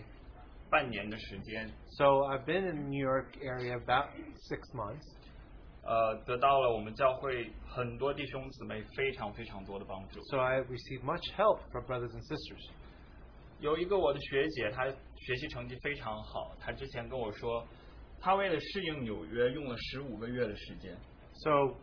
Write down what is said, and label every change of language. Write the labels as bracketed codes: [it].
[zh] 想说一点感谢的话，是因为我到纽约大概半年的时间。So [en] I've been in New York area about 6 months. [zh] 得到了我们教会很多弟兄姊妹非常非常多的帮助。So [en] I received much help from brothers and sisters. [zh] 有一个我的学姐，她学习成绩非常好。她之前跟我说，她为了适应纽约用了15个月的时间。So